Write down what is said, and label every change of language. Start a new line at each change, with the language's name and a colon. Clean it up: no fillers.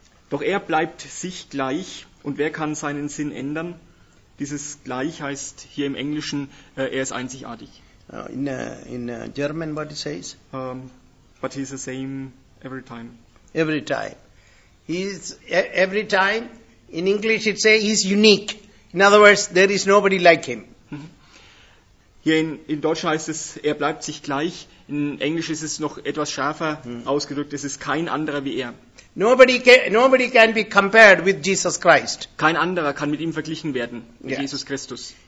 German: Doch er bleibt sich gleich, und wer kann seinen Sinn ändern? Dieses gleich heißt hier im Englischen, er ist einzigartig.
English: In German, what it says? But he's the same every time. Every time. Every time. In English it says he's unique. In other words, there is nobody like him.
German: Hier in Deutsch heißt es, er bleibt sich gleich. In Englisch ist es noch etwas schärfer ausgedrückt. Es ist kein anderer wie er.
English: Nobody can be compared with Jesus Christ.
German: Kein anderer kann mit ihm verglichen werden, mit Jesus Christus.